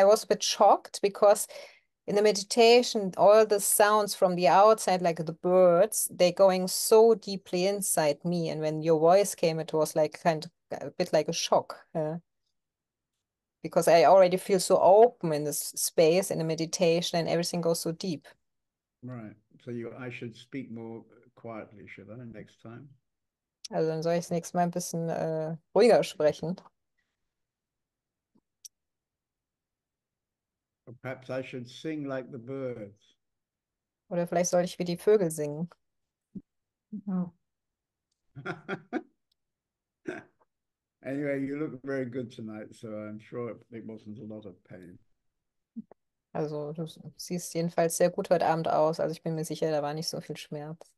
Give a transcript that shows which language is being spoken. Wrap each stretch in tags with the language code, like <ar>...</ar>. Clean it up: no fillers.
<en>I was a bit shocked because in the meditation all the sounds from the outside, like the birds, they're going so deeply inside me, and when your voice came, it was like kind of a bit like a shock. Yeah? Because I already feel so open in this space in the meditation, and everything goes so deep. Right. So I should speak more quietly, should I, next time?</en> <de>Also dann soll ich das nächste Mal ein bisschen ruhiger sprechen.</de> <en>Perhaps I should sing like the birds.</en> <de>Oder vielleicht soll ich wie die Vögel singen. Oh.</de> <en>Anyway, you look very good tonight, so I'm sure it wasn't a lot of pain.</en> <de>Also, du siehst jedenfalls sehr gut heute Abend aus. Also, ich bin mir sicher, da war nicht so viel Schmerz.</de>